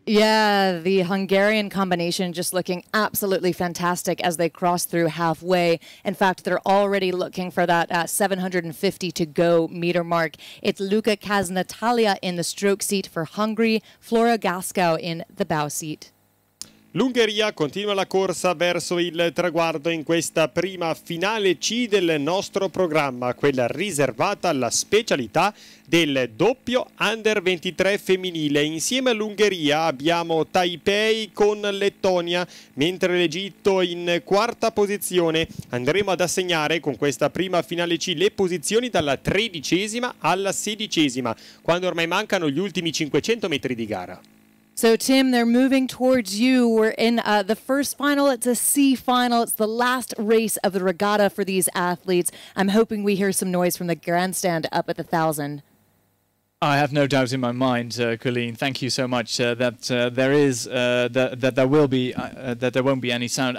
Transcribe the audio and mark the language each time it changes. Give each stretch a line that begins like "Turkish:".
English: Yeah, the Hungarian combination just looking absolutely fantastic as they cross through halfway. In fact, they're already looking for that 750 to go meter mark. It's Luka Kaznatalia in the stroke seat for Hungary, Flora Gaskow in the bow seat.
Italian: L'Ungheria continua la corsa verso il traguardo in questa prima finale C del nostro programma, quella riservata alla specialità del doppio under 23 femminile. Insieme all'Ungheria abbiamo Taipei con Lettonia, mentre l'Egitto in quarta posizione. Andremo ad assegnare con questa prima finale C le posizioni dalla tredicesima alla sedicesima, quando ormai mancano gli ultimi 500 metri di gara.
English: So, Tim, they're moving towards you. We're in the first final. It's a C final. It's the last race of the regatta for these athletes. I'm hoping we hear some noise from the grandstand up at the 1,000. I have no doubt in my mind, Colleen. Thank you so much that there won't be any sound.